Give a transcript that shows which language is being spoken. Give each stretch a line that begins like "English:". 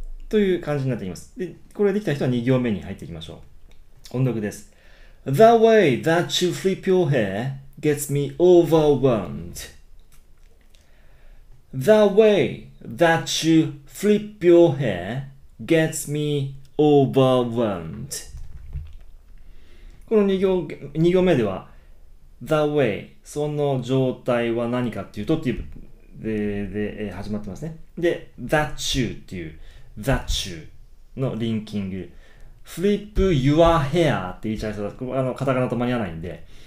Japanese: という感じになっています。で、これができた人は2行目に入っていきましょう。音読です。
English: The way that you flip your hair gets me overwhelmed. The way that you flip your hair gets me overwhelmed.
Japanese: この2行目では、The way、その状態は何かっていうと、っていうで始まってますね。で、That you っていう、That you のリンキング。
English: Flip your hair
Japanese: って言いちゃいそうだ。カタカナと間に合わないんで。